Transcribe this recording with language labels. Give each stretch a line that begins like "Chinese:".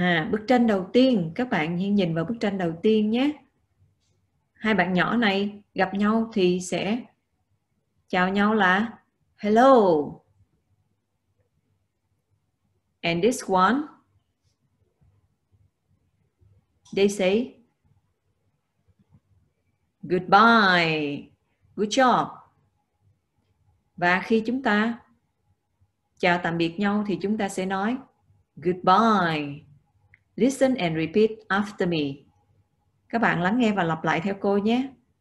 Vietnamese: Bức tranh đầu tiên, các bạn hãy nhìn vào bức tranh đầu tiên nhé. Hai bạn nhỏ này gặp nhau thì sẽ chào nhau là hello.
English: And this one, they say goodbye. Good job.
Vietnamese: Và khi chúng ta chào tạm biệt nhau thì chúng ta sẽ nói goodbye.
English: Listen and repeat after me.
Vietnamese: Các bạn lắng nghe và lặp lại theo cô nhé.